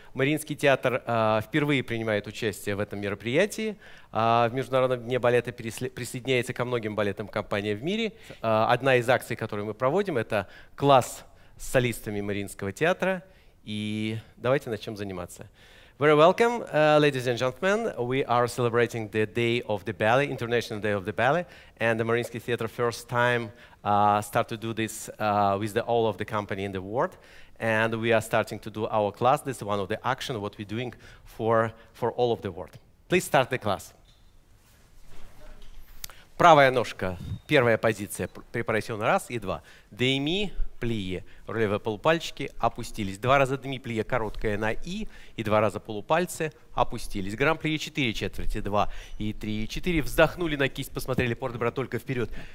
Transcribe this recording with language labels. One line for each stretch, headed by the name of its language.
Russian: Мариинский театр впервые принимает участие в этом мероприятии. В Международном дне балета присоединяется ко многим балетным компаниям в мире. Одна из акций, которую мы проводим, это класс с солистами Мариинского театра. И давайте начнем заниматься.
English: Very welcome, ladies and gentlemen. We are celebrating the Day of the Ballet, International Day of the Ballet, and the Mariinsky Theatre first time start to do this with all of the company in the world. And we are starting to do our class. This is one of the action what we're doing for all of the world. Please start the class.
Russian: Правая ножка, первая позиция, препарацион раз и два. Деми, плие, левые полупальчики опустились. Два раза деми, плие, короткое на и, и два раза полупальцы опустились. Гран плие, четыре четверти, два и три и четыре. Вздохнули на кисть, посмотрели, портебра только вперед.